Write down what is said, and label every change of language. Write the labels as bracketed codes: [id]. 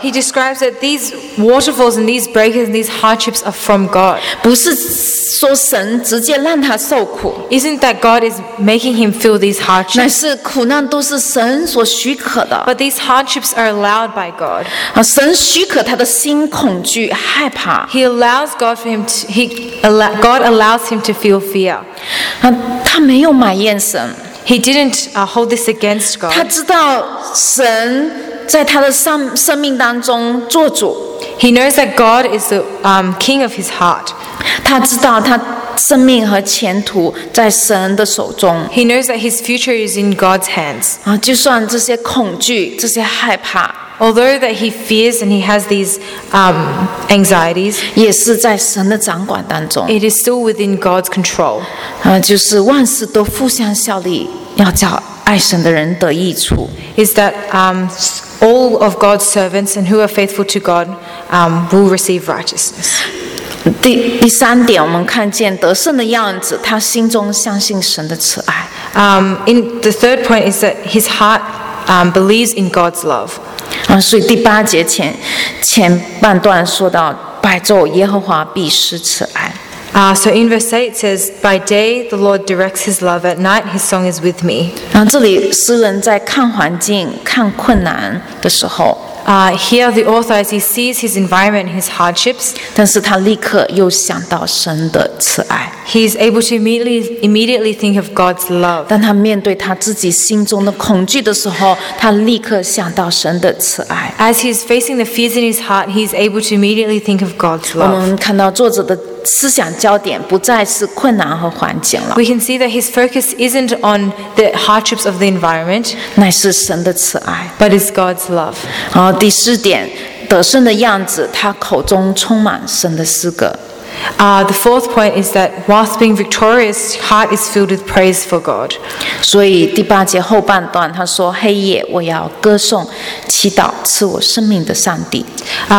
[en] He describes that these waterfalls and these breakers and these hardships are from God. [zh] 不是说神直接让他受苦。 [en] Isn't that God is making him feel these hardships? [zh] 乃是苦难都是神所许可的。 [en] But these hardships are allowed by God. [zh] 神许可他的心恐惧害怕。 [en] He allows God for him to God allows him to feel fear. [zh] 他没有埋怨神。 [en] He didn't hold this against God. [zh] 他知道神在他的生命当中做主。 [en] He knows that God is the king of his heart. [zh] 他知道他生命和前途在神的手中。 [en] He knows that his future is in God's hands. [zh] 就算这些恐惧，这些害怕。 [en] Although that he fears and he has these anxieties, [zh] 也是在神的掌管当中。 [en] It is still within God's control. [zh] 就是万事都互相效力，要叫爱神的人得益处。 [en] Is that all of God's servants and who are faithful to God will receive righteousness. [zh] 第三点，我们看见得胜的样子，他心中相信神的慈爱。 [en] In the third point is that his heart believes in God's love. [zh] 所以第八节前半段说到，百昼耶和华必施慈爱。 [en] So in verse 8 it says, by day the Lord directs his love, at night his song is with me. [zh] 这里诗人在看环境、看困难的时候。 [en] Here the author, as he sees his environment, his hardships, [zh] 但是他立刻又想到神的慈爱。 [en] He's able to immediately think of God's love. [zh] 当他面对他自己心中的恐惧的时候，他立刻想到神的慈爱。 [en] As he's facing the fears in his heart, he's able to immediately think of God's love. [zh] 我们看到作者的思想焦点不再是困难和环境了。 [en] We can see that his focus isn't on the hardships of the environment, [zh] 乃是神的慈爱。 [en] But it's God's love. [zh] 第四点，得胜的样子，他口中充满神的诗歌。 [en] The fourth point is that whilst being victorious, heart is filled with praise for God. [zh] 所以第八节后半段，他说：“黑夜我要歌颂、祈祷赐我生命的上帝。”